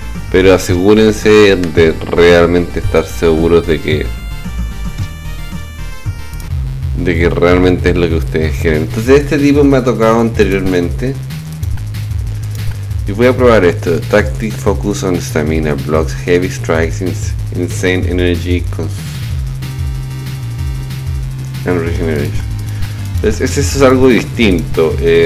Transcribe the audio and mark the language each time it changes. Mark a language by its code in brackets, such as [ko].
[es] Pero asegúrense de realmente estar seguros de que realmente es lo que ustedes quieren. Entonces, este tipo me ha tocado anteriormente y voy a probar esto. [en] Tactic focus on stamina, blocks heavy strikes, insane energy and regeneration. [es] Entonces, eso es algo distinto.